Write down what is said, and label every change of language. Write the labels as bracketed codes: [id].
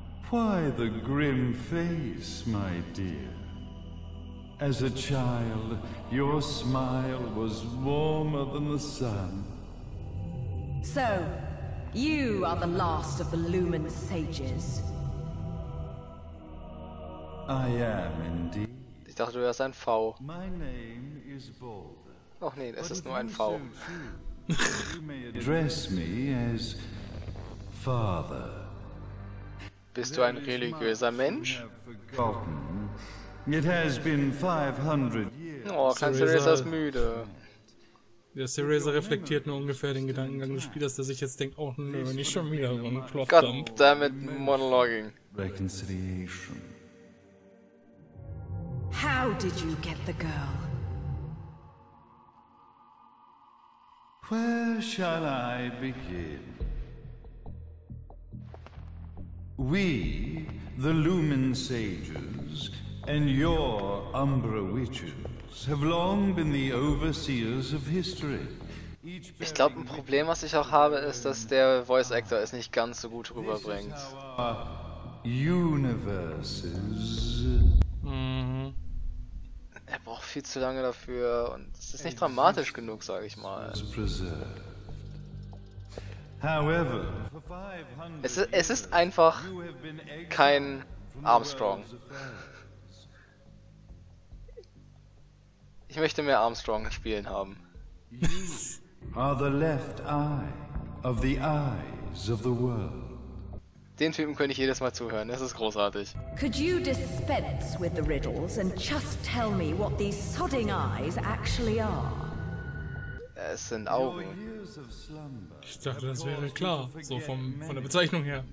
[en] Why the grim face, my dear? As a child, your smile was warmer than the sun. So, you are the last of the Lumen Sages. I am indeed. [de] Ich dachte, du wärst ein V. [en] My name is Balder. [de] Ach nee, das ist nur ein V. [en] So true, address me as Father. [de] Bist du ein religiöser Mensch? [en] Forgotten. It has been 500 years. [de] Oh, klein Cereza ist müde. Der Cereza reflektiert nur ungefähr den Gedankengang des Spielers, der sich jetzt denkt, oh nö, nee, nicht schon wieder so ein [en] Plotdump. God damn it, monologuing. Reconciliation. How did you get the girl? Where shall I begin? We, the Lumen Sages, and your Umbra Witches have long been the overseers of history. [de] Ich glaube, ein Problem, was ich auch habe, ist, dass der Voice Actor es nicht ganz so gut rüberbringt. [en] This is our universes. Mhm. [de] Er braucht viel zu lange dafür und es ist nicht dramatisch genug, sage ich mal. [en] However, [de] es ist einfach kein Armstrong. Ich möchte mehr Armstrong spielen haben. [en] Are the left eye of the eyes of the world. [de] Den Typen könnte ich jedes Mal zuhören. Das ist großartig. [en] Could you dispense with the riddles and just tell me what these sodding eyes actually are? [de] Es sind Augen. Ich dachte, das wäre klar, so von der Bezeichnung her.